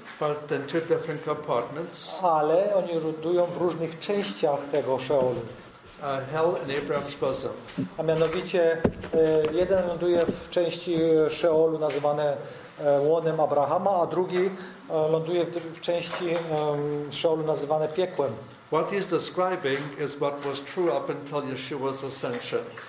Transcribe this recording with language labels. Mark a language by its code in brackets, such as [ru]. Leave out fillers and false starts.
[en] but in two different compartments. [pl] Ale oni lądują w różnych częściach tego Szeolu. [en] Hell in Abraham's bosom. [pl] A mianowicie jeden ląduje w części Szeolu nazywane łonem Abrahama, a drugi ląduje w części Szeolu nazywane piekłem. [en] What he's describing is what was true up until Yeshua's ascension.